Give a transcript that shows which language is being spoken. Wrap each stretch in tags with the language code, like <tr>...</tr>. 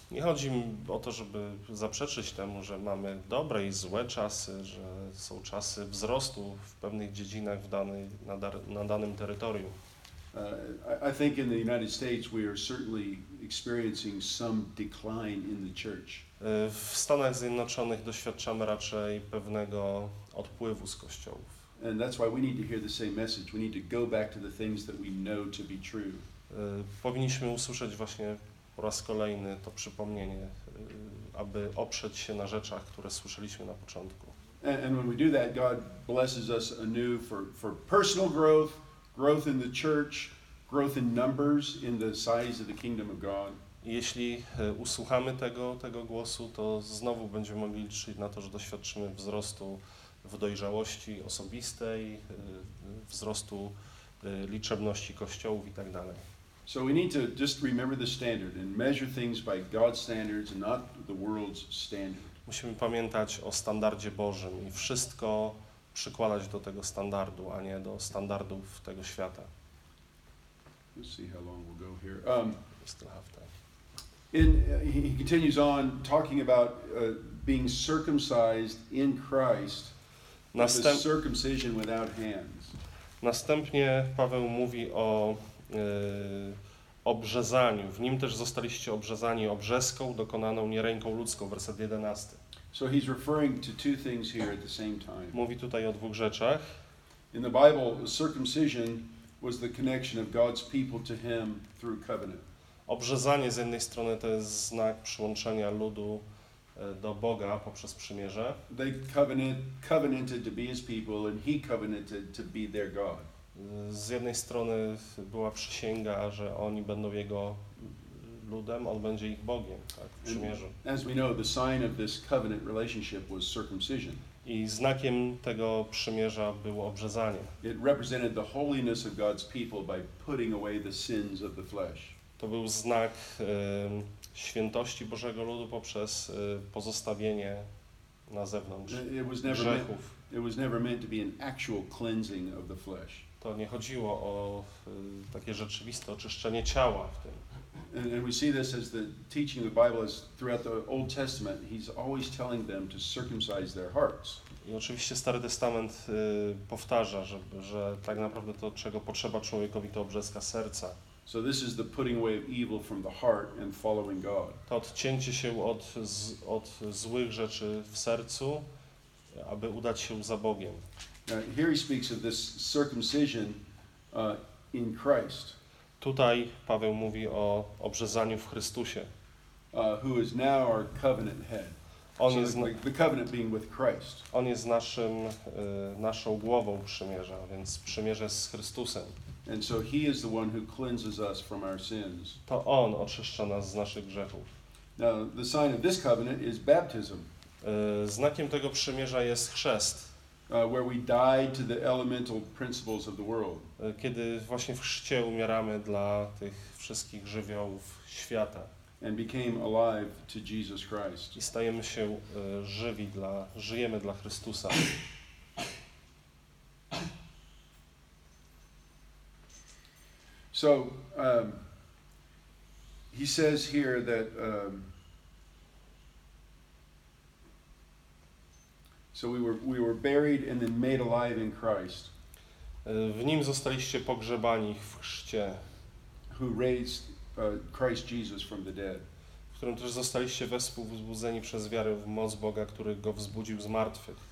<pl>Nie chodzi mi o to, żeby zaprzeczyć temu, że mamy dobre i złe czasy, że są czasy wzrostu w pewnych dziedzinach na danym terytorium.</pl> <en>I think in the United States we are certainly experiencing some decline in the church.</en> <pl>W Stanach Zjednoczonych doświadczamy raczej pewnego odpływu z kościołów.</pl> <en>And that's why we need to hear the same message. We need to go back to the things that we know to be true.</en> <pl>Powinniśmy usłyszeć właśnie po raz kolejny to przypomnienie, aby oprzeć się na rzeczach, które słyszeliśmy na początku.</pl> <en>And when we do that, God blesses us anew for personal growth. Growth in the church, growth in numbers, in the size of the kingdom of God.</en> <pl>Jeśli usłuchamy tego głosu, to znowu będziemy mogli liczyć na to, że doświadczymy wzrostu w dojrzałości osobistej, wzrostu liczebności kościołów i tak dalej.</pl> <en>So we need to just remember the standard and measure things by God's standards and not the world's standard.</en> <pl>Musimy pamiętać o standardzie Bożym i wszystko przykładać do tego standardu, a nie do standardów tego świata.</pl> <en>Let's see how long we'll go here. We still have time. He continues on talking about being circumcised in Christ, the circumcision without hands.</en> <pl>Następnie Paweł mówi o obrzezaniu. W nim też zostaliście obrzezani obrzeską dokonaną nie ręką ludzką. Werset 11.</pl> <en>So he's referring to two things here at the same time.</en> <pl>Mówi tutaj o dwóch rzeczach.</pl> <en>In the Bible, circumcision was the connection of God's people to him through covenant.</en> <pl>Obrzezanie z jednej strony to jest znak przyłączenia ludu do Boga poprzez przymierze.</pl> <en>They covenanted to be his people and he covenanted to be their God.</en> <pl>Z jednej strony była przysięga, że oni będą jego ludem, on będzie ich Bogiem, tak, w przymierzu.</pl> <en>As we know, the sign of this covenant relationship was circumcision.</en> <pl>I znakiem tego przymierza było obrzezanie.</pl> <en>It represented the holiness of God's people by putting away the sins of the flesh.</en> <pl>To był znak świętości Bożego ludu poprzez pozostawienie na zewnątrz grzechów.</pl> <en>It was never meant to be an actual cleansing of the flesh.</en> <pl>To nie chodziło o takie rzeczywiste oczyszczenie ciała w tym.</pl> <en>And we see this as the teaching of the Bible is throughout the Old Testament, he's always telling them to circumcise their hearts.</en> <pl>I oczywiście Stary Testament powtarza, że tak naprawdę to, czego potrzeba człowiekowi, to obrzeska serca.</pl> <en>So this is the putting away of evil from the heart and following God.</en> <pl>To odcięcie się od złych rzeczy w sercu, aby udać się za Bogiem.</pl> <en>Now, here he speaks of this circumcision in Christ.</en> <pl>Tutaj Paweł mówi o obrzezaniu w Chrystusie.</pl> <en>Who is now our covenant head.</en> <pl>On</pl> <en>so</en> <pl>jest</pl> <en>the covenant being with Christ.</en> <pl>On jest naszą głową przymierza, więc przymierze z Chrystusem.</pl> <en>And so he is the one who cleanses us from our sins.</en> <pl>To on oczyszcza nas z naszych grzechów.</pl> <en>Now the sign of this covenant is baptism.</en> <pl>Znakiem tego przymierza jest chrzest.</pl> <en>Where we die to the elemental principles of the world.</en> <pl>Kiedy właśnie w chrzcie umieramy dla tych wszystkich żywiołów świata.</pl> <en>And became alive to Jesus Christ.</en> <pl>I stajemy się żywi dla, żyjemy dla Chrystusa.</pl> <en>So, he says here that, so we were buried and then made alive in Christ.</en> <pl>W nim zostaliście pogrzebani w chrzcie.</pl> <en>Who raised Christ Jesus from the dead.</en> <pl>W którym też zostaliście wespół wzbudzeni przez wiarę w moc Boga, który go wzbudził z martwych.</pl>